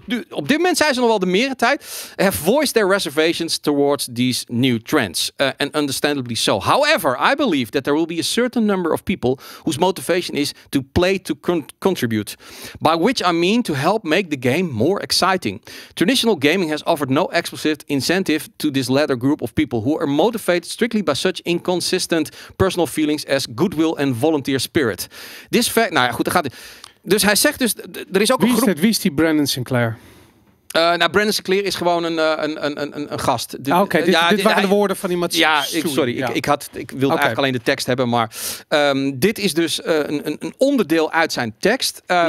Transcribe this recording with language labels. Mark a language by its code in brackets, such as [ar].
[nl] Op dit moment zijn ze nog wel de meerderheid. [en] Have voiced their reservations towards these new trends. And understandably so. However, I believe that there will be a certain number of people whose motivation is to play to contribute. By which I mean to help make the game more exciting. Traditional gaming has offered no explicit incentive to this latter group of people who are motivated strictly by such inconsistent personal feelings as goodwill and volunteer spirit. This fact... [nl] Nou ja, goed, dus hij zegt dus, er is ook wie een groep... Wie is die Brandon Sinclair? Brandon Sinclair is gewoon een gast. Dit waren de woorden van die Matsuda. Ja, ik wilde eigenlijk alleen de tekst hebben, maar dit is dus een onderdeel uit zijn tekst.